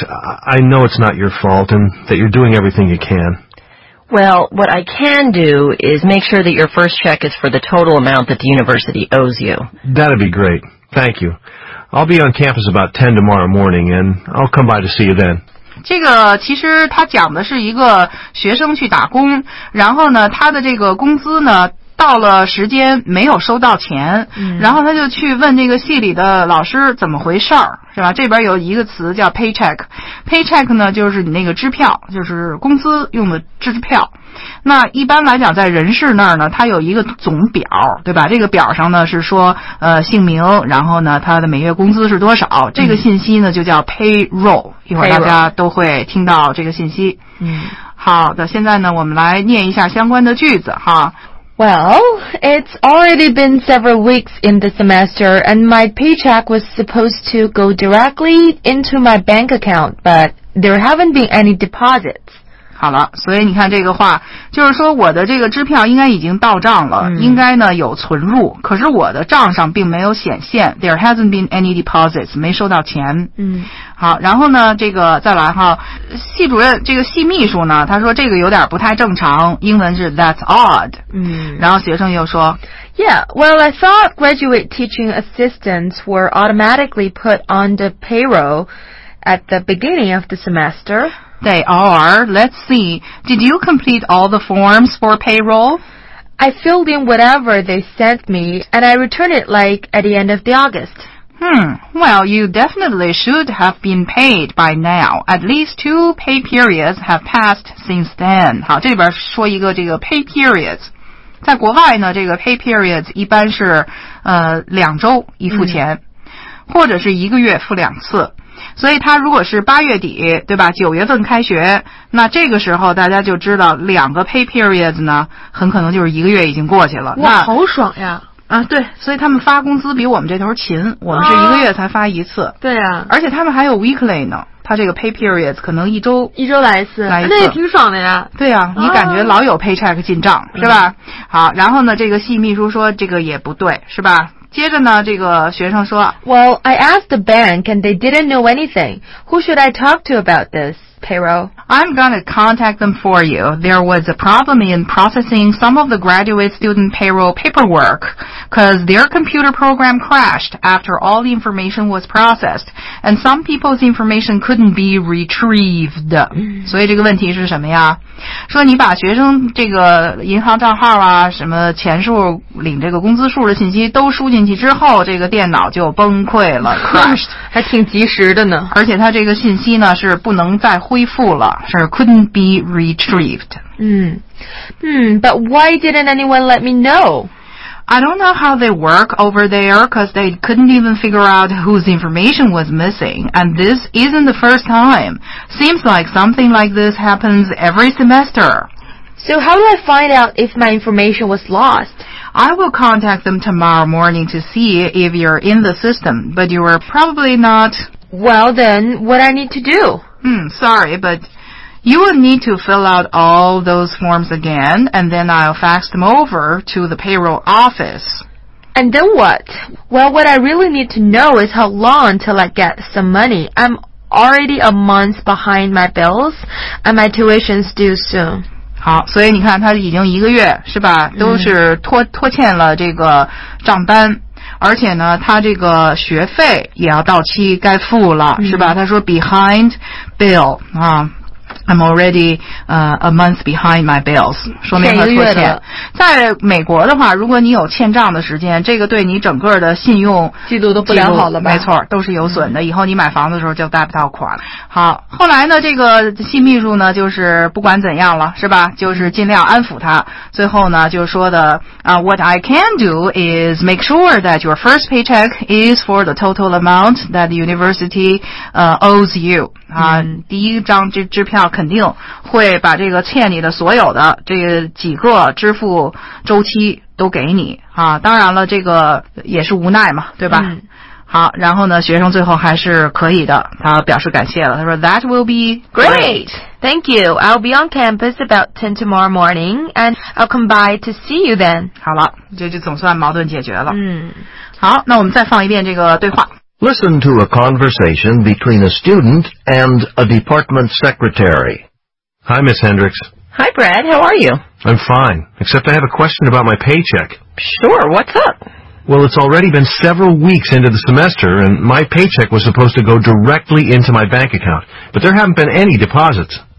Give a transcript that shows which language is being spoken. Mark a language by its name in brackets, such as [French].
[English] I know it's not your fault and that you're doing everything you can. Well, what I can do is make sure that your first check is for the total amount that the university owes you. That'd be great. Thank you. I'll be on campus about 10 tomorrow morning, and I'll come by to see you then. [Chinese] 这个其实他讲的是一个学生去打工，然后呢，他的这个工资呢到了时间没有收到钱、嗯、然后他就去问那个系里的老师怎么回事儿，是吧，这边有一个词叫 paycheck。 paycheck 呢就是你那个支票，就是工资用的支票。那一般来讲在人事那儿呢他有一个总表，对吧，这个表上呢是说姓名，然后呢他的每月工资是多少、嗯、这个信息呢就叫 payroll。一会儿大家都会听到这个信息。嗯。好的，现在呢我们来念一下相关的句子哈。 [English] Well, it's already been several weeks in the semester, and my paycheck was supposed to go directly into my bank account, but there haven't been any deposits. [Chinese] 好了，所以你看这个话，就是说我的这个支票应该已经到账了、嗯、应该呢有存入，可是我的账上并没有显现 , [English] there hasn't been any deposits, [Chinese] 没收到钱。嗯。好，然后呢这个再来哈，系主任这个系秘书呢他说这个有点不太正常，英文是 [English] that's odd。嗯。 [Chinese] 然后学生又说 [English] ,Yeah, well, I thought graduate teaching assistants were automatically put on the payroll at the beginning of the semester. They are. Let's see. Did you complete all the forms for payroll? I filled in whatever they sent me, and I returned it, like, at the end of the August. Hmm. Well, you definitely should have been paid by now. At least 2 pay periods have passed since then. [Chinese] 好，这里边说一个这个 [English] pay periods. [Chinese] 在国外呢，这个 pay periods 一般是两周一付钱，或者是一个月付两次。所以他如果是八月底，对吧？九月份开学，那这个时候大家就知道两个 pay periods 呢，很可能就是一个月已经过去了。哇，好爽呀！啊，对，所以他们发工资比我们这头勤，我们是一个月才发一次。哦、对呀、啊，而且他们还有 weekly 呢，他这个 pay periods 可能一周来一次、啊，那也挺爽的呀。对呀、啊，你感觉老有 paycheck 进账、哦、是吧？好，然后呢，这个系秘书说这个也不对，是吧？接着呢，这个学生说 [English] ，Well, I asked the bank and they didn't know anything. Who should I talk to about this payroll? I'm gonna contact them for you. There was a problem in processing some of the graduate student payroll paperwork, because their computer program crashed after all the information was processed, and some people's information couldn't be retrieved. [Chinese] 所以这个问题是什么呀？说你把学生这个银行账号啊，什么钱数、领这个工资数的信息都输进去之后，这个电脑就崩溃了 ，crashed，还挺及时的呢。而且它这个信息呢是不能再恢复了，是 [English] couldn't be retrieved。 But why didn't anyone let me know? I don't know how they work over there, because they couldn't even figure out whose information was missing. And this isn't the first time. Seems like something like this happens every semester. So how do I find out if my information was lost? I will contact them tomorrow morning to see if you're in the system, but you are probably not. Well, then, what I need to do? Sorry, but you will need to fill out all those forms again, and then I'll fax them over to the payroll office. And then what? Well, what I really need to know is how long till I get some money. I'm already a month behind my bills, and my tuition's due soon. [Chinese] 好，所以你看，他已经一个月，是吧？都是拖欠了这个账单。而且呢，他这个学费也要到期该付了，是吧？他说 [English] behind bill 啊。 I'm already a month behind my bills. [Chinese] 说明了拖欠。在美国的话，如果你有欠账的时间，这个对你整个的信用记录都不良好了吧？没错，都是有损的。以后你买房子的时候就贷不到款。好，后来呢，这个新秘书呢，就是不管怎样了，是吧？就是尽量安抚他。最后呢，就说的 [English] What I can do is make sure that your first paycheck is for the total amount that the university owes you. [Chinese] 第一张支票肯定会把这个欠你的所有的这几个支付周期都给你啊，当然了，这个也是无奈嘛，对吧？好，然后呢，学生最后还是可以的，他表示感谢了，他说 [English] That will be great. Thank you. I'll be on campus about 10 tomorrow morning and I'll come by to see you then. [Chinese] 好了，这就总算矛盾解决了。好，那我们再放一遍这个对话。 [English] Listen to a conversation between a student and a department secretary. Hi, Ms. Hendricks. Hi, Brad. How are you? I'm fine, except I have a question about my paycheck. Sure. What's up? Well, it's already been several weeks into the semester, and my paycheck was supposed to go directly into my bank account, but there haven't been any deposits.